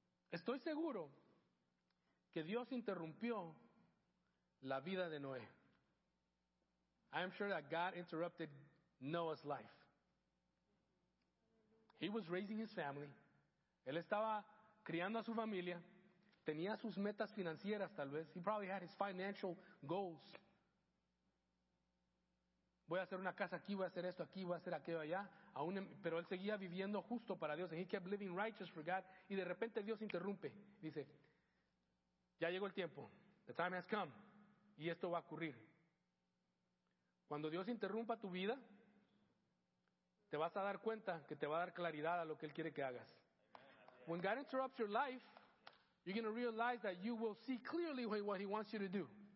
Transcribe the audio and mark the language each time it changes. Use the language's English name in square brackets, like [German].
[Spanish] Estoy seguro que Dios interrumpió la vida de Noé. [English] I am sure that God interrupted Noah's life. He was raising his family. [Spanish] Él estaba criando a su familia. Tenía sus metas financieras, tal vez. [English] He probably had his financial goals. [Spanish] Voy a hacer una casa aquí, voy a hacer esto aquí, voy a hacer aquello allá. Pero él seguía viviendo justo para Dios. [English] And he kept living righteous for God. [Spanish] Y de repente Dios interrumpe. Dice, ya llegó el tiempo. [English] The time has come. [Spanish] Y esto va a ocurrir. Cuando Dios interrumpa tu vida, te vas a dar cuenta que te va a dar claridad a lo que Él quiere que hagas. [English] When God interrupts your life, you're going to realize that you will see clearly what he wants you to do.